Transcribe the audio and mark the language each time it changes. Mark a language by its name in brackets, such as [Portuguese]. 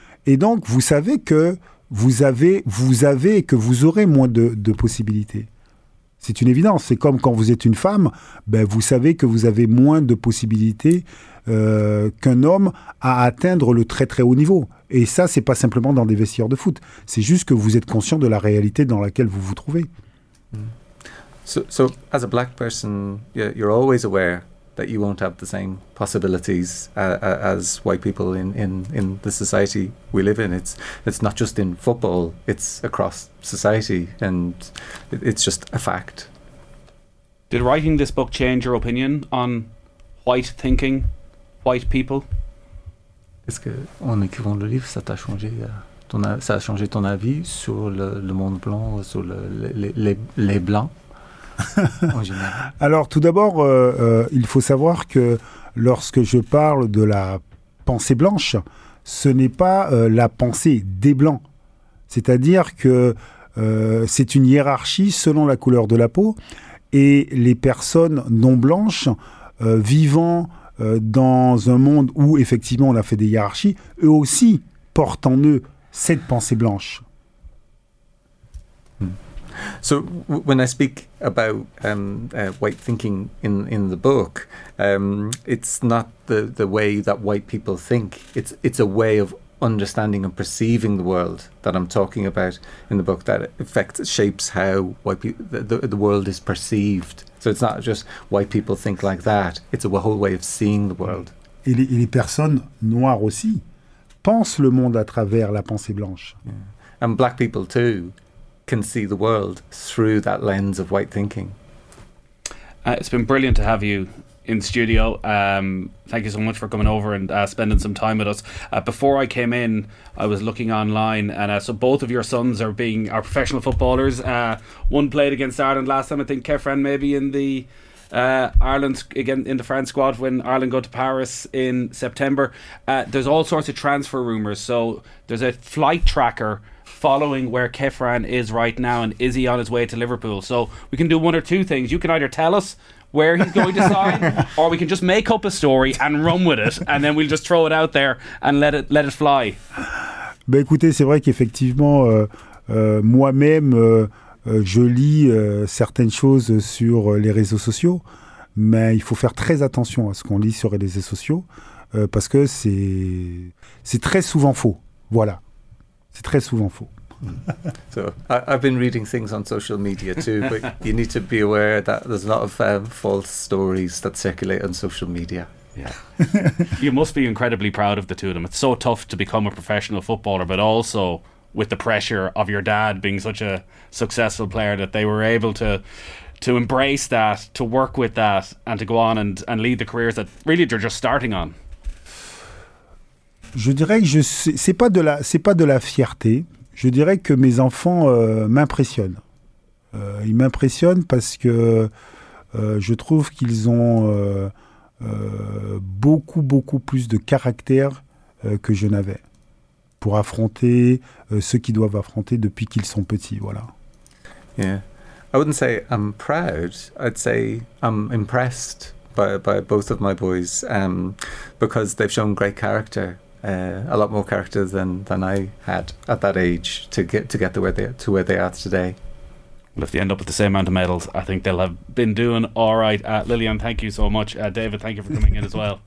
[French] Et donc, vous savez que vous avez que vous aurez moins de possibilités. C'est une évidence. C'est comme quand vous êtes une femme, vous savez que vous avez moins de possibilités qu'un homme à atteindre le très très haut niveau. Et ça, c'est pas simplement dans des vestiaires de foot. C'est juste que vous êtes conscient de la réalité dans laquelle vous vous trouvez. [English] So as a black person, you're always aware that you won't have the same possibilities as white people in the society we live in. It's not just in football, it's across society, and it's just a fact. Did writing this book change your opinion on white thinking, white people? [French] Est-ce que en écrivant le livre, ça t'a changé ça a changé ton avis sur le monde blanc, sur les blancs en général? Alors, tout d'abord, il faut savoir que lorsque je parle de la pensée blanche, ce n'est pas la pensée des blancs. C'est-à-dire que c'est une hiérarchie selon la couleur de la peau, et les personnes non blanches vivant dans un monde où effectivement on a fait des hiérarchies, eux aussi portent en eux cette pensée blanche. [English] So when I speak about white thinking in the book, it's not the way that white people think. It's a way of understanding and perceiving the world that I'm talking about in the book that affects, shapes how white the world is perceived. So it's not just white people think like that. It's a whole way of seeing the world. [French] Et les personnes noires aussi pensent le monde à travers la pensée blanche. [English] Yeah. And black people too can see the world through that lens of white thinking. It's been brilliant to have you in studio. Thank you so much for coming over and spending some time with us. Before I came in, I was looking online, and so both of your sons are professional footballers. One played against Ireland last time, I think, Kefren, maybe in the Ireland again in the France squad when Ireland go to Paris in September. There's all sorts of transfer rumours. So there's a flight tracker following where Kefren is right now, and is he on his way to Liverpool? So we can do one or two things. You can either tell us where he's going to sign, or we can just make up a story and run with it, and then we'll just throw it out there and let it fly. [French] Ben écoutez, c'est vrai qu'effectivement, moi-même, je lis certaines choses sur les réseaux sociaux, mais il faut faire très attention à ce qu'on lit sur les réseaux sociaux, parce que c'est très souvent faux. Voilà. C'est très souvent faux. [English] So I've been reading things on social media too, but you need to be aware that there's a lot of false stories that circulate on social media. Yeah. You must be incredibly proud of the two of them. It's so tough to become a professional footballer, but also with the pressure of your dad being such a successful player, that they were able to embrace that, to work with that, and to go on and lead the careers that really they're just starting on. [French] Je dirais que c'est pas de la fierté. Je dirais que mes enfants m'impressionnent. Ils m'impressionnent parce que je trouve qu'ils ont beaucoup, beaucoup plus de caractère que je n'avais pour affronter ceux qu'ils doivent affronter depuis qu'ils sont petits. Voilà. [English] Yeah. I wouldn't say I'm proud. I'd say I'm impressed by both of my boys because they've shown great character. A lot more character than I had at that age to get to where they are today. Well, if they end up with the same amount of medals, I think they'll have been doing all right. Lilian, thank you so much. David, thank you for coming in as well.